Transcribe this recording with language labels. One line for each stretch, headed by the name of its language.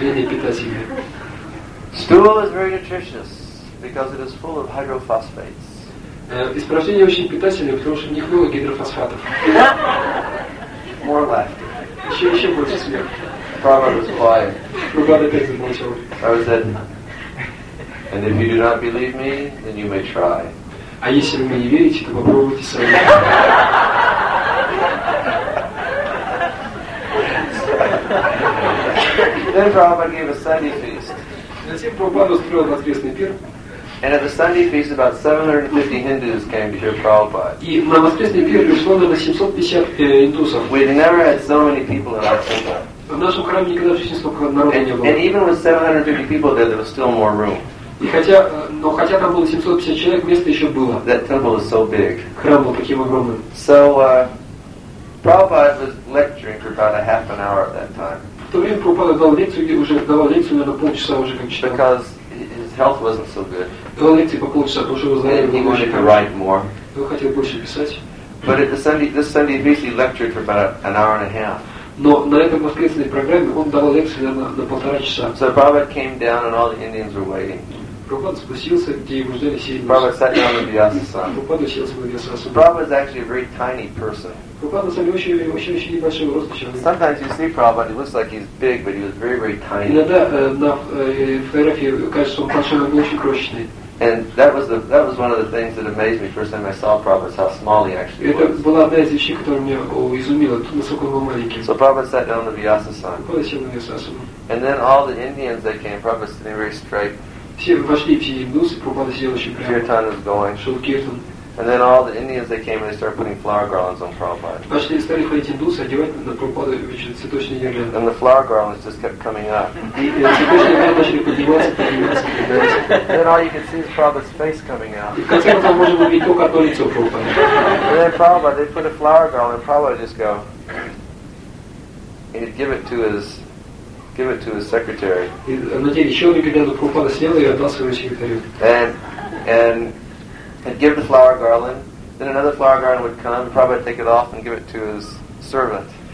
English: Stool is very nutritious because it is full of hydrophosphates.
Russian: Испражнения очень питательные, потому что в них много гидрофосфатов.
English: More laughter.
Russian: Еще больше смеха.
English: Prabhupada was quiet.
Russian: Prabhupada опять замолчал.
English: I was at. And if you do not believe me, then you may try.
Russian: А если вы не верите, то попробуйте сами.
English: Then Prabhupada gave a Sunday feast.
Russian: Затем Прабхупада устроил воскресный пир.
English: And at the Sunday feast, about 750 Hindus came to hear Prabhupada.
Russian: И на воскресный пир пришло на 750 индусов.
English: We never had so many people in our temple.
Russian: В нашем храме никогда жизни столько народа не было.
English: And even with 750 people there, there was still more room.
Russian: Но хотя там было 750 человек, место еще было.
English: That temple was so big.
Russian: Храм был таким огромным.
English: So Prabhupada was lecturing for about a half an hour at that time.
Russian: В то время Прабхупада давал лекцию, наверное, полчаса уже кончил.
English: Because his health wasn't so good.
Russian: Давал лекции по полчаса, потому что его здоровье было очень хорошо.
English: He wanted to write more.
Russian: Он хотел больше писать.
English: But at this Sunday he basically lectured for about an hour and a half.
Russian: Но на этой воскресной программе он давал лекцию, наверное, на полтора часа.
English: So Prabhupada came down and all the Indians were waiting. Prabhupada sat down in Vyasasana. Prabhupada is actually a very tiny person. Sometimes you see Prabhupada, he looks like he's big, but he was very, very tiny. And that was one of the things that amazed me the first time I saw Prabhupada, how small he actually was. So Prabhupada sat down in Vyasasana. And then all the Indians, they came, Prabhupada sitting very straight.
Russian: Все вошли, все индусы, Прабхупада сидел очень прямо.
English: Киртан was going.
Russian: Шел киртан.
English: And then all the Indians, they came and they started putting flower garlands on Prabhupada.
Russian: Вошли и стали ходить индусы, одевать на Прабхупада цветочные гирлянды.
English: And the flower garlands just kept coming up.
Russian: И цветочные гирлянды начали подниматься.
English: Then all you could see is Prabhupada's face coming out.
Russian: И в конце концов можно увидеть только одно лицо Прабхупады.
English: And then Prabhupada, they put a flower garland, and Prabhupada just go, and he'd give it to his secretary. And give the flower garland. Then another flower garland would come. Prabhupada take it off and give it to his servant.